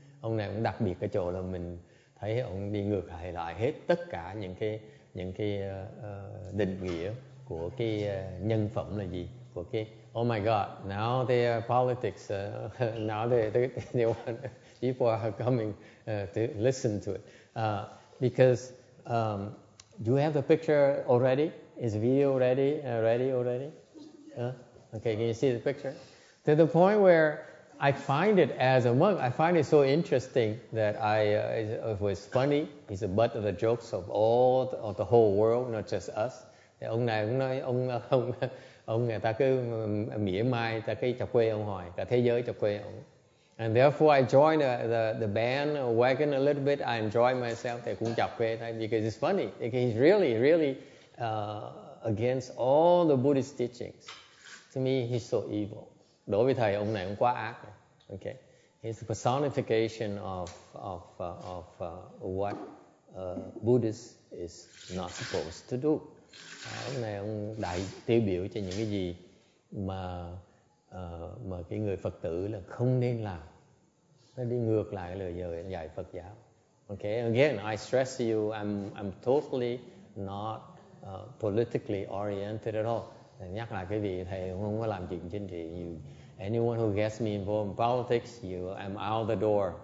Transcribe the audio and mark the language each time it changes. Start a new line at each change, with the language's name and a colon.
Vietnamese: Ông này cũng đặc biệt ở chỗ là mình thấy ông đi ngược lại hết tất cả những cái định nghĩa của cái nhân phẩm là gì, của cái
English: oh my god, now they are politics, now they want, people are coming to listen to it, because do you have the picture already? Is video ready? Ready already? Okay, can you see the picture? To the point where I find it as a monk, I find it so interesting that it was funny. He's the butt of the jokes of of the whole world, not just us.
Vietnamese: Ông này cũng nói ông người ta cứ mỉa mai, ta cứ chọc quê ông hỏi, cả thế giới chọc quê ông.
English: And therefore I joined the band wagon a little bit. I enjoy myself.
Vietnamese: Thầy cũng chọc quê
English: because it's funny. He's really, really against all the Buddhist teachings. To me, he's so evil.
Vietnamese: Đối với thầy ông này cũng quá ác.
English: Okay, he's the personification of what Buddhist is not supposed to do.
Vietnamese: Ông này ông đại tiêu biểu cho những cái gì mà mà cái người Phật tử là không nên làm. Nó đi ngược lại lời dạy Phật giáo.
English: Okay, again, I stress to you, I'm totally not politically oriented at all.
Vietnamese: Nhắc lại cái vị thầy không có làm chuyện chính trị.
English: You, anyone who gets me involved in politics, you, I'm out the door.